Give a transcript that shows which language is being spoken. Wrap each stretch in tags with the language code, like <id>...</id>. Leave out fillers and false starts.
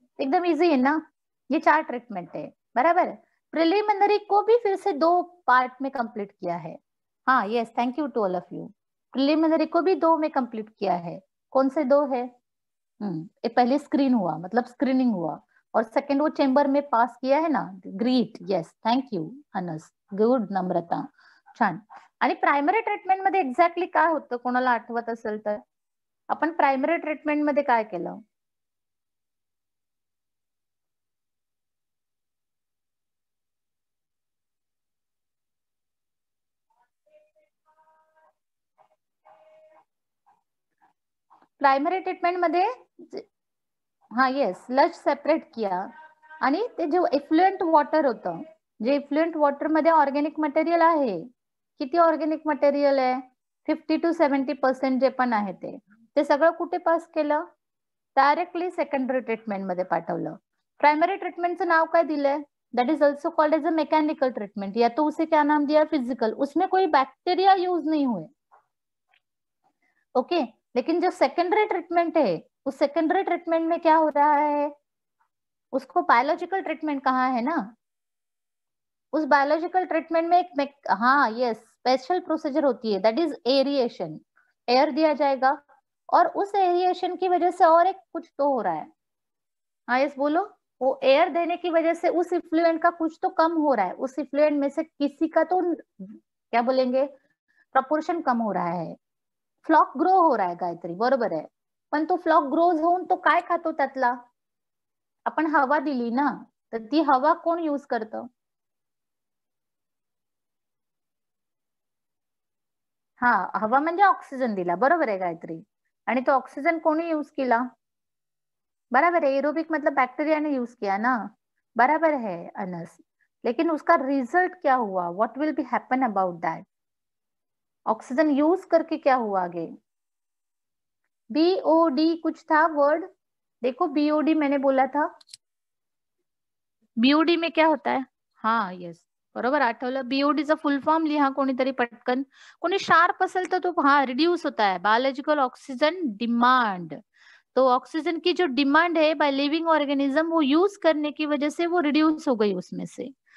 <hi>एकदम इजी है ना, ये 4 ट्रीटमेंट है, बराबर. प्रिलिमिनरी को भी फिर से 2 पार्ट में कंप्लीट किया है. हाँ, yes,</hi> <en>Thank you to all of you.</en> <hi>Preliminary को भी 2 में कंप्लीट किया है. कौन से 2 है? एक पहले स्क्रीन हुआ, मतलब स्क्रीनिंग हुआ, और सेकंड वो चेंबर में पास किया है ना.</hi> <en>Great, yes, thank you Anas, good, Namrata, छान.</en> <mr>आणि प्रायमरी ट्रीटमेंट मध्ये एक्झॅक्टली काय होतं, कोणाला आठवत असेल तर? आपण प्रायमरी ट्रीटमेंट मध्ये काय केलं? प्राइमरी ट्रीटमेंट मध्ये हाँ यस</mr> <hi>स्लज सेपरेट किया</hi> <mr>आणि ते जो इफ्लुएंट वॉटर होतं, जे इफ्लुएंट वॉटर मध्ये ऑर्गेनिक मटेरियल आहे, किती ऑर्गेनिक मटेरियल आहे 50-70% जे पण आहे ते सगळं कुठे पास केलं, डायरेक्टली सेकंडरी ट्रीटमेंट मध्ये पाठवलं. प्राइमरी ट्रीटमेंटचं नाव काय दिलंय,</mr> <en>that is also called as a mechanical treatment,</en> <hi>या तो उसे क्या नाम दिया फिजिकल, उसमें कोई बॅक्टेरिया यूज नाही हुए. ओके लेकिन जो सेकेंडरी ट्रीटमेंट है, उस सेकेंडरी ट्रीटमेंट में क्या हो रहा है, उसको बायोलॉजिकल ट्रीटमेंट कहा है ना, उस बायोलॉजिकल ट्रीटमेंट में एक हाँ यस स्पेशल प्रोसीजर होती है,</hi> <en>that is aeration,</en> <hi>एयर दिया जाएगा और उस एरिएशन की वजह से और एक कुछ तो हो रहा है. हाँ यस बोलो. वो एयर देने की वजह से उस इफ्लुएंट का कुछ तो कम हो रहा है, उस इफ्लुएंट में से किसी का तो क्या बोलेंगे प्रपोर्शन कम हो रहा है, फ्लॉक ग्रो हो रहा है गायत्री, बरोबर है.</hi> <mr>पण तो फ्लॉक ग्रो होऊन तो काय खातो त्यातला, आपण हवा दिली ना, तर ती हवा कोण यूज करत, हा हवा म्हणजे ऑक्सिजन दिला, बरोबर आहे गायत्री, आणि तो ऑक्सिजन कोणी यूज केला, बराबर आहे, एरोबिक मतलब</mr> <hi>बॅक्टेरिया ने यूज किया ना, बराबर है अनस. लेकिन उसका रिजल्ट क्या हुआ,</hi> <en>what will be happen about that,</en> <hi>oxygen use करके क्या हुआ आगे, बीओडी कुछ था वर्ड, देखो बीओडी मैंने बोला था, बीओडी में क्या होता है, हाँ यस</hi> <mr>बरोबर आठवलं, बीओडी चा फुल फॉर्म लिहा कोणीतरी पटकन, कोणी शार्प असेल तर</mr> <hi>तो हा रिड्यूस होता है बायोलॉजिकल ऑक्सीजन डिमांड, तो ऑक्सीजन की जो डिमांड है बाय लिविंग ऑर्गेनिज्म वो यूज करने की वजह से वो रिड्यूस हो गई उसमें से.</hi>